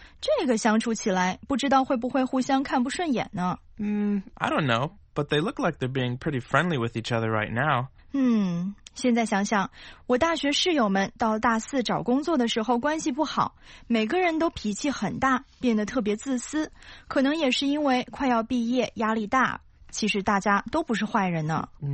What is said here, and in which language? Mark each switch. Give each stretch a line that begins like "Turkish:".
Chinese: 这个相处起来不知道会不会互相看不顺眼呢
English: I don't know, but they look like they're being pretty friendly with each other right now.
Chinese: 现在想想我大学室友们到大四找工作的时候关系不好每个人都脾气很大变得特别自私可能也是因为快要毕业压力大其实大家都不是坏人呢